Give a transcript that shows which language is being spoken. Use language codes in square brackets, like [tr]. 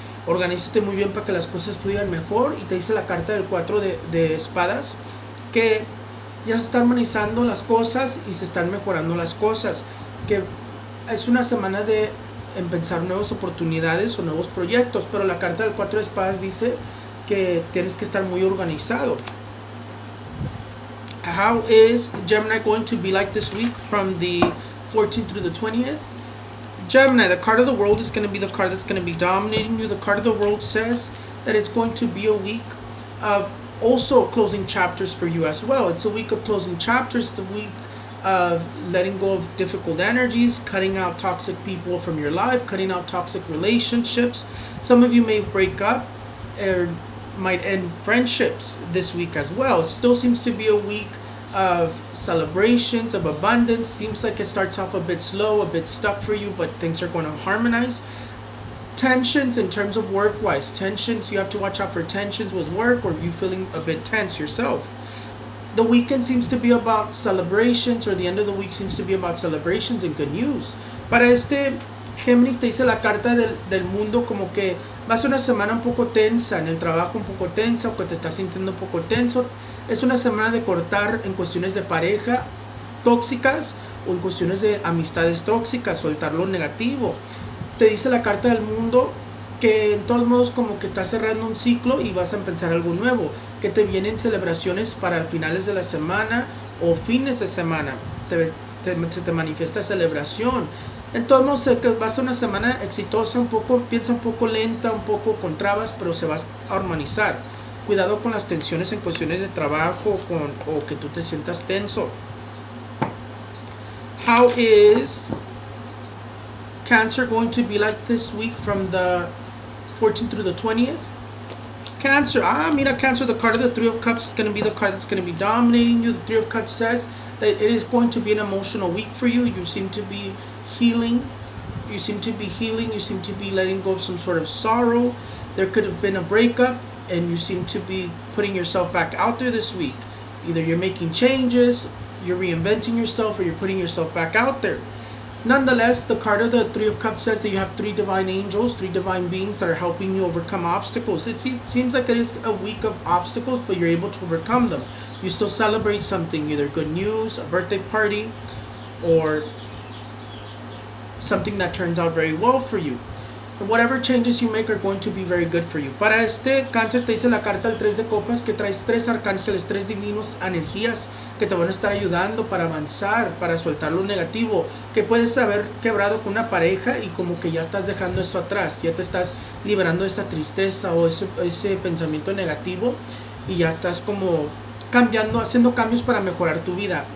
[es] Organízate muy bien para que las cosas fluyan mejor. Y te dice la carta del 4 de espadas que ya se están organizando las cosas y se están mejorando las cosas. Que es una semana de empezar nuevas oportunidades o nuevos proyectos. Pero la carta del 4 de espadas dice que tienes que estar muy organizado. [en] How is Gemini going to be like this week from the 14th through the 20th? Gemini, the card of the world is going to be the card that's going to be dominating you. The card of the world says that it's going to be a week of also closing chapters for you as well. It's a week of closing chapters. It's a week of letting go of difficult energies, cutting out toxic people from your life, cutting out toxic relationships. Some of you may break up or might end friendships this week as well. It still seems to be a week of celebrations, of abundance. Seems like it starts off a bit slow, a bit stuck for you, but things are going to harmonize. Tensions in terms of work-wise, tensions, you have to watch out for tensions with work or you feeling a bit tense yourself. The weekend seems to be about celebrations, or the end of the week seems to be about celebrations and good news. [es] Para este Géminis te dice la carta del mundo como que va a ser una semana un poco tensa, en el trabajo un poco tensa, o que te estás sintiendo un poco tenso. Es una semana de cortar en cuestiones de pareja tóxicas o en cuestiones de amistades tóxicas, soltar lo negativo. Te dice la carta del mundo que en todos modos como que estás cerrando un ciclo y vas a empezar algo nuevo, que te vienen celebraciones para finales de la semana o fines de semana. Se te manifiesta celebración. En todos modos, va a ser una semana exitosa, piensa un poco lenta, un poco con trabas, pero se va a armonizar. Cuidado con las tensiones en cuestiones de trabajo o que tú te sientas tenso. [en] How is Cancer going to be like this week from the 14th through the 20th? Cancer, [es] mira [en] Cancer, the card of the Three of Cups is going to be the card that's going to be dominating you. The Three of Cups says that it is going to be an emotional week for you. You seem to be healing. You seem to be letting go of some sort of sorrow. There could have been a breakup, and you seem to be putting yourself back out there this week. Either you're making changes, you're reinventing yourself, or you're putting yourself back out there. Nonetheless, the card of the Three of Cups says that you have three divine angels, three divine beings that are helping you overcome obstacles. It seems like it is a week of obstacles, but you're able to overcome them. You still celebrate something, either good news, a birthday party. or something that turns out very well for you. Whatever changes you make are going to be very good for you. [es] Para este cáncer te dice la carta del 3 de copas que traes tres arcángeles, tres divinos energías que te van a estar ayudando para avanzar, para soltar lo negativo, que puedes haber quebrado con una pareja y como que ya estás dejando esto atrás, ya te estás liberando de esa tristeza o ese pensamiento negativo y ya estás como cambiando, haciendo cambios para mejorar tu vida.